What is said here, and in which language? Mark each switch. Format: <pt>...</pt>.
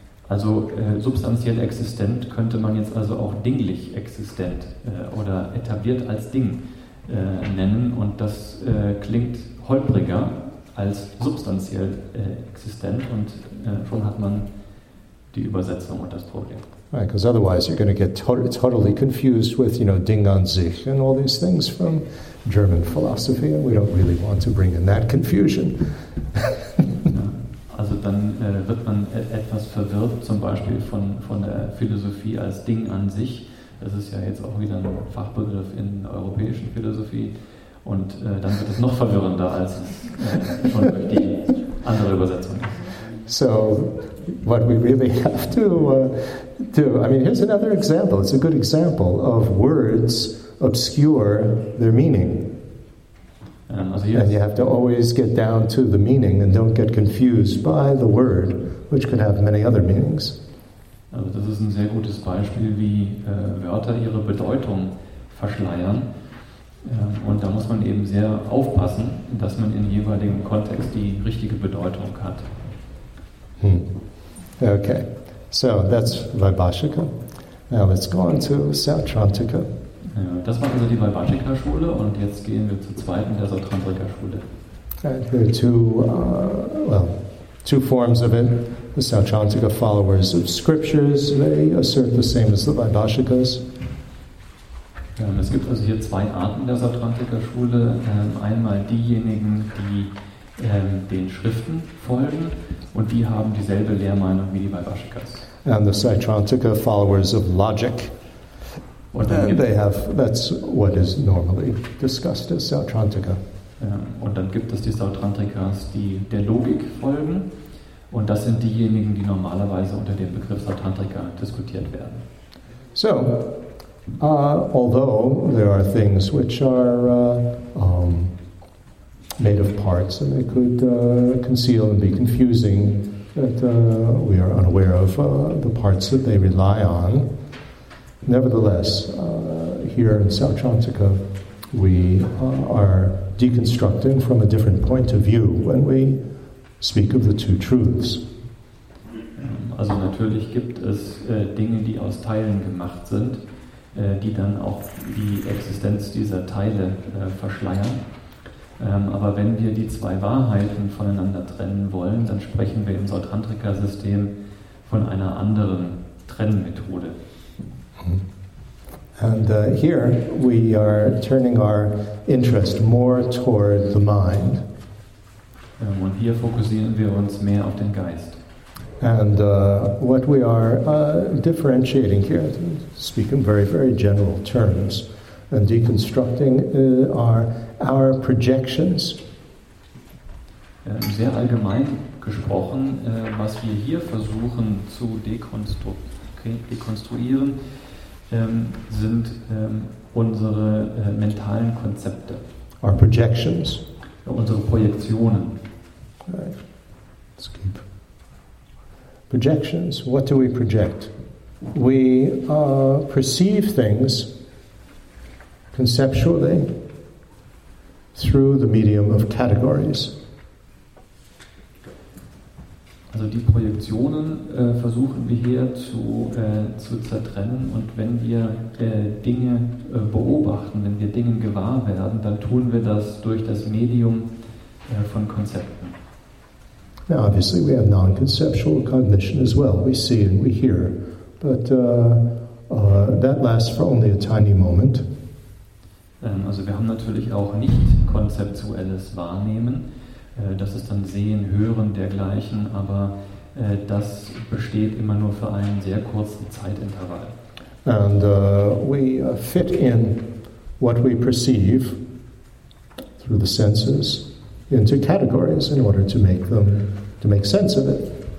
<de>Also substanziell existent könnte man jetzt also auch dinglich existent oder etabliert als Ding nennen. Und das klingt holpriger als substanziell existent. Und schon hat man die Übersetzung und das Problem.</de> <en>Right, because otherwise you're going to get totally confused with, you know, Ding an sich and all these things from German philosophy, and we don't really want to bring in that confusion.</en> <de>Also dann wird man etwas verwirrt, zum Beispiel von der Philosophie als Ding an sich. Das ist ja jetzt auch wieder ein Fachbegriff in der europäischen Philosophie. Und dann wird es noch verwirrender als schon durch die andere Übersetzung.</de> <en>So, what we really have to do, I mean, here's another example. It's a good example of words obscure their meaning. And you have to always get down to the meaning and don't get confused by the word, which could have many other meanings.</en> <de>Also das ist ein sehr gutes Beispiel, wie Wörter ihre Bedeutung verschleiern. Und da muss man eben sehr aufpassen, dass man in jeweiligen Kontext die richtige Bedeutung hat.</de> <en>Okay, so that's Vaibhashika. Now let's go on to Sautrantika.</en> <de>Das war also die Vaibhashika-Schule, und jetzt gehen wir zur zweiten, der Sautrantika-Schule.</de> <en>There are two forms of it. The Sautrantika followers of scriptures, they assert the same as the Vaibhashikas.</en> <de>Es gibt also hier zwei Arten der Sautrantika-Schule. Einmal diejenigen, die den Schriften folgen, und die haben dieselbe Lehrmeinung wie die Vaibhashikas.</de> <en>And the Sautrantika followers of logic, they have, that's what is normally discussed as Sautrantika.</en> <de>Und dann gibt es die Sautrantikas, die der Logik folgen, und das sind diejenigen, die normalerweise unter dem Begriff Sautrantika diskutiert werden.</de> <en>So, although there are things which are made of parts, and they could conceal and be confusing, that we are unaware of the parts that they rely on. Nevertheless, here in Sautrantika, we are deconstructing from a different point of view when we speak of the two truths.</en> <de>Also natürlich gibt es Dinge, die aus Teilen gemacht sind, die dann auch die Existenz dieser Teile verschleiern. Aber wenn wir die zwei Wahrheiten voneinander trennen wollen, dann sprechen wir im Sautrantika-System von einer anderen Trennmethode.</de> <en>And here we are turning our interest more toward the mind.</en> <de>Und hier fokussieren wir uns mehr auf den Geist.</de> <en>And what we are differentiating here, to speak in very, very general terms, and deconstructing our projections.</en> <de>Sehr allgemein gesprochen, was wir hier versuchen zu dekonstruieren, sind unsere mentalen Konzepte.</de> <en>Our projections.</en> <de>Unsere Projektionen.</de> <en>Right. Let's keep projections. What do we project? We perceive things conceptually through the medium of categories.</en> <de>Also die Projektionen versuchen wir hier zu zertrennen, und wenn wir Dinge beobachten, wenn wir Dinge gewahr werden, dann tun wir das durch das Medium von Konzepten.</de> <en>Now obviously we have non-conceptual cognition as well. We see and we hear, but that lasts for only a tiny moment.</en> <de>Also wir haben natürlich auch nicht konzeptuelles Wahrnehmen. Das ist dann Sehen, Hören, dergleichen, aber das besteht immer nur für einen sehr kurzen Zeitintervall.</de> <en>And we fit in what we perceive through the senses into categories in order to make them, to make sense of it.</en>